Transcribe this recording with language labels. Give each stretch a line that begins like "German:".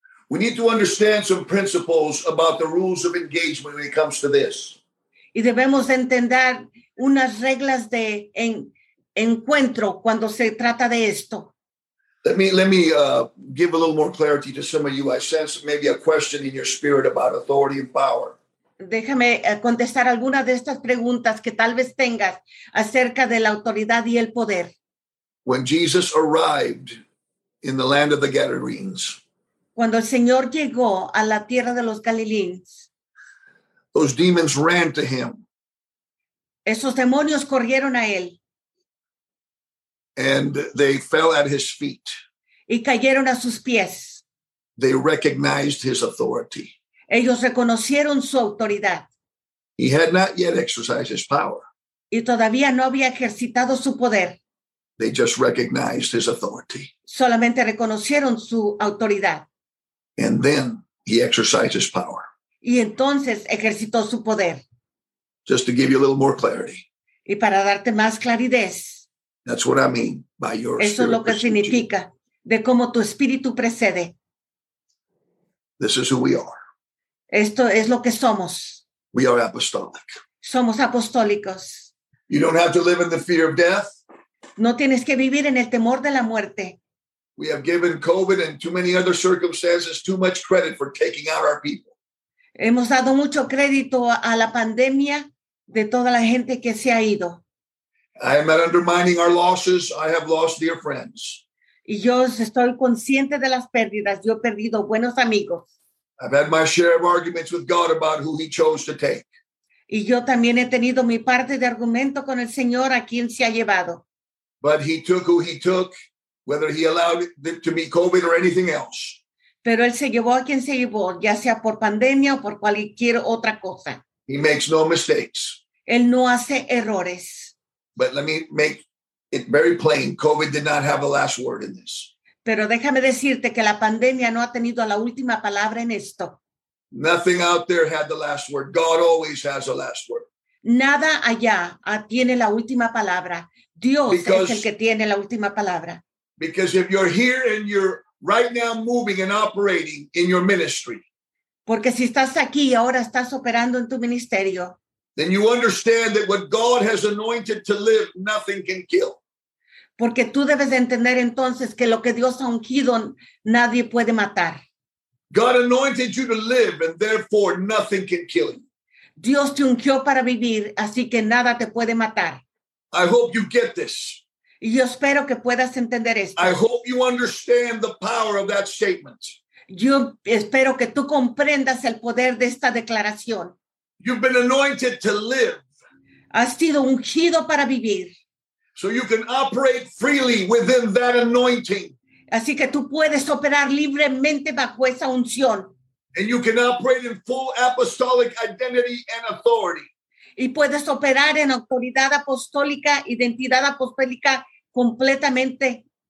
English: We need to understand some principles about the rules of engagement when it comes to this.
Spanish: Y debemos entender unas reglas de encuentro cuando se trata de esto.
English: Let me give a little more clarity to some of you. I sense maybe a question in your spirit about authority and power.
Spanish: Déjame contestar alguna de estas preguntas que tal vez tengas acerca de la autoridad y el poder.
English: When Jesus arrived in the land of the Gadarenes.
Spanish: Cuando el Señor llegó a la tierra de los Galileans.
English: Those demons ran to him.
Spanish: Esos demonios corrieron a él.
English: And they fell at his feet.
Spanish: Y cayeron a sus pies.
English: They recognized his authority.
Spanish: Ellos reconocieron su autoridad.
English: He had not yet exercised his power.
Spanish: Y todavía no había ejercitado su poder.
English: They just recognized his authority.
Spanish: Solamente reconocieron su autoridad.
English: And then he exercised his power.
Spanish: Y entonces ejercitó su poder.
English: Just to give you a little more clarity.
Spanish: Y para darte más claridad.
English: That's what I mean by your spirit.
Spanish: Eso es lo que significa de cómo tu espíritu precede.
English: This is who we are.
Spanish: Esto es lo que somos.
English: We are apostolic.
Spanish: Somos apostólicos.
English: You don't have to live in the fear of death.
Spanish: No tienes que vivir en el temor de la muerte.
English: We have given COVID and too many other circumstances too much credit for taking out our people.
Spanish: Hemos dado mucho crédito a la pandemia de toda la gente que se ha ido.
English: I am not undermining our losses. I have lost dear friends.
Spanish: Y yo estoy consciente de las pérdidas. Yo he perdido buenos amigos.
English: I've had my share of arguments with God about who he chose to take.
Spanish: Y yo también he tenido mi parte de argumento con el Señor a quien se ha llevado.
English: But he took who he took, whether he allowed it to be COVID or anything else.
Spanish: Pero él se llevó a quien se llevó, ya sea por pandemia o por cualquier otra cosa.
English: He makes no mistakes.
Spanish: Él no hace errores.
English: But let me make it very plain. COVID did not have a last word in this.
Spanish: Pero déjame decirte que la pandemia no ha tenido la última palabra en esto.
English: Nothing out there had the last word. God always has the last word.
Spanish: Nada allá tiene la última palabra. Dios es el que tiene la última palabra.
English: Because if you're here and you're right now moving and operating in your ministry,
Spanish: porque si estás aquí y ahora estás operando en tu ministerio,
English: then you understand that what God has anointed to live, nothing can kill.
Spanish: Porque tú debes de entender entonces que lo que Dios ha ungido, nadie puede matar.
English: God anointed you to live, and therefore nothing can kill you.
Spanish: Dios te ungió para vivir, así que nada te puede matar.
English: I hope you get this.
Spanish: Y yo espero que puedas entender esto.
English: I hope you understand the power of that statement.
Spanish: Yo espero que tú comprendas el poder de esta declaración.
English: You've been anointed to live.
Spanish: Has sido ungido para vivir.
English: So you can operate freely within that anointing.
Spanish: Así que tú puedes operar libremente bajo esa unción.
English: And you can operate in full apostolic identity and authority.
Spanish: Y puedes operar en autoridad apostólica, identidad apostólica completamente.